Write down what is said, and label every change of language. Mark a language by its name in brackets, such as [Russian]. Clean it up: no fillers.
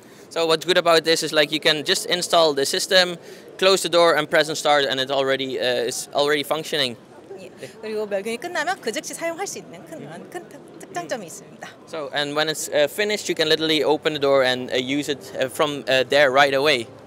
[English] So what's good about this is like you can just install the system, close the door and press and start and it already is already functioning. [Korean] 그리고 멸균이 끝나면 그 즉시 사용할 수 있는 큰 특장점이 있습니다. [English] So and when it's finished, you can literally open the door and use it from there right away.